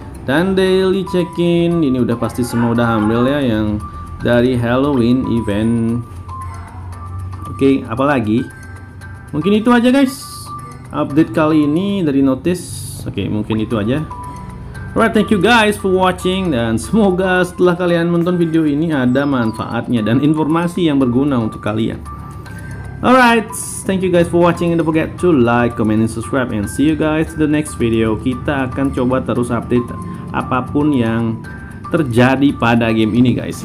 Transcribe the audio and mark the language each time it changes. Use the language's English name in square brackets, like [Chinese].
[Indonesian] Dan daily check-in ini udah pasti semua udah ambil ya yang dari Halloween event. Oke, apalagi? Mungkin itu aja guys. Update kali ini dari notice. Oke, mungkin itu aja. [English] Alright, thank you guys for watching [Indonesian] dan semoga setelah kalian nonton video ini ada manfaatnya dan informasi yang berguna untuk kalian. [English] Alright, thank you guys for watching and don't forget to like, comment, and subscribe and see you guys in the next video. [Indonesian] Kita akan coba terus update apapun yang terjadi pada game ini guys.